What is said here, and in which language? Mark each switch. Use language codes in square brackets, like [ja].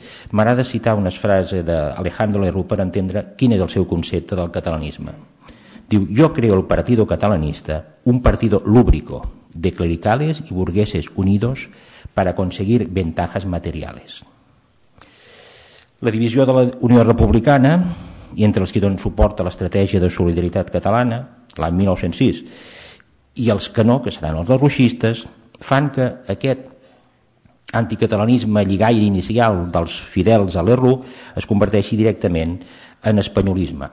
[ca] M'agrada citar unes frases d'Alejandro Lerro per entendre quin és el seu concepte del catalanisme. [es] Diu, jo creo el partido catalanista, un partido lúbrico de clericales y burgueses unidos para conseguir ventajas materiales. [ca] La divisió de la Unió Republicana i entre els que donen suport a l'estratègia de solidaritat catalana, l'any 1906, i els que no, que seran els larroixistes, fan que aquest anticatalanisme lligaire inicial dels fidels a l'ERRU es converteixi directament en espanyolisme.